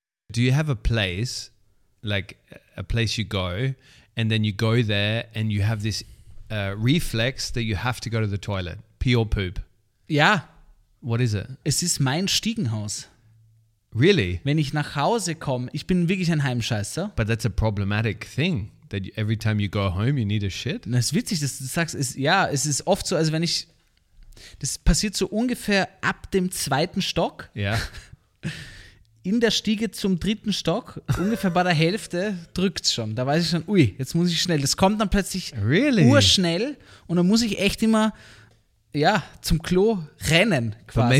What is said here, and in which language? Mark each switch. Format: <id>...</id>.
<en>Do you have a place, like a place you go, and then you go there and you have this reflex that you have to go to the toilet, pee or poop? Yeah. What is it?</en> <de>Es ist mein Stiegenhaus.</de> <en>Really?</en> <de>Wenn ich nach Hause komme, ich bin wirklich ein Heimscheißer.</de> <en>But that's a problematic thing, that every time you go home, you need a shit.</en> <de>Das ist witzig, dass du sagst, es ist oft so, als wenn ich, das passiert so ungefähr ab dem 2. Stock.</de> <en>Yeah.</en> <de>In der Stiege zum 3. Stock, ungefähr bei der Hälfte, drückt es schon. Da weiß ich schon, ui, jetzt muss ich schnell. Das kommt dann plötzlich urschnell und dann muss ich echt immer zum Klo rennen quasi.</de>